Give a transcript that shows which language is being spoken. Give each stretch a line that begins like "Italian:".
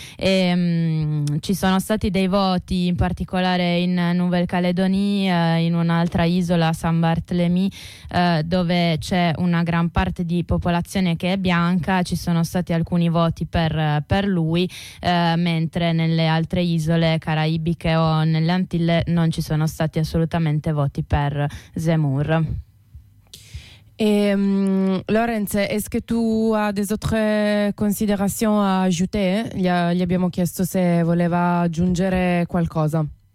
Italian: E ci sono stati dei voti in particolare in Nouvelle-Calédonie, in un'altra isola, Saint-Barthélemy, dove c'è una gran parte di popolazione che è bianca, ci sono stati alcuni voti per lui, mentre nelle altre isole caraibiche o nelle Antille non ci sono stati assolutamente voti per Zemmour.
French: Lorenz, est-ce que tu as des autres considerations à ajouter?
Italian: Gli abbiamo chiesto se voleva aggiungere qualcosa.